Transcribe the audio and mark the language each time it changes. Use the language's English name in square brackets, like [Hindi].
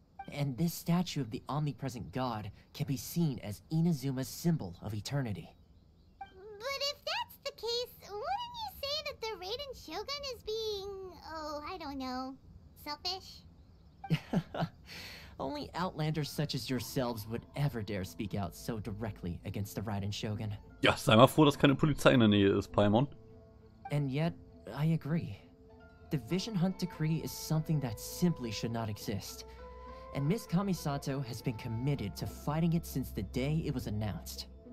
[English] And this statue of the omnipresent god can be seen as Inazuma's symbol of eternity. But if that's the case, wouldn't you say that the Raiden Shogun is being, oh, I don't know, selfish? Only outlanders such as yourselves would ever dare speak out so directly against the Raiden Shogun. [German] Ja, sei mal froh, dass keine Polizei in der Nähe ist, Paimon. [English] And yet, I agree. The Vision Hunt Decree is something that simply should not exist. And Miss Kamisato has been committed to fighting it since the day it was announced.